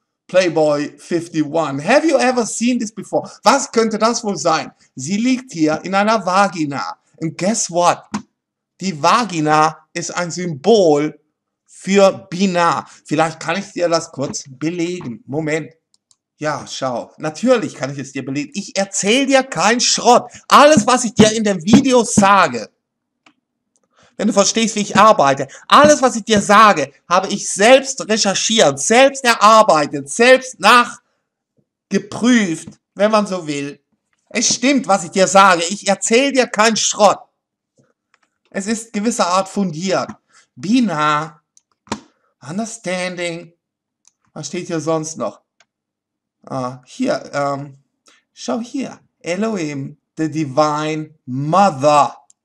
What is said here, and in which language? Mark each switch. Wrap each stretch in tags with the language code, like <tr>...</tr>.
<en>Playboy 51. Have you ever seen this before?</en> <de>Was könnte das wohl sein? Sie liegt hier in einer Vagina.</de> <en>And guess what?</en> <de>Die Vagina ist ein Symbol für binar. Vielleicht kann ich dir das kurz belegen. Moment. Ja, schau. Natürlich kann ich es dir belegen. Ich erzähle dir keinen Schrott. Alles, was ich dir in dem Video sage, wenn du verstehst, wie ich arbeite, alles, was ich dir sage, habe ich selbst recherchiert, selbst erarbeitet, selbst nachgeprüft, wenn man so will. Es stimmt, was ich dir sage. Ich erzähle dir keinen Schrott. Es ist gewisser Art fundiert. Binar.</de> <en>Understanding.</en> <de>Was steht hier sonst noch? Hier. Schau hier.</de> <en>Elohim, the divine mother.</en>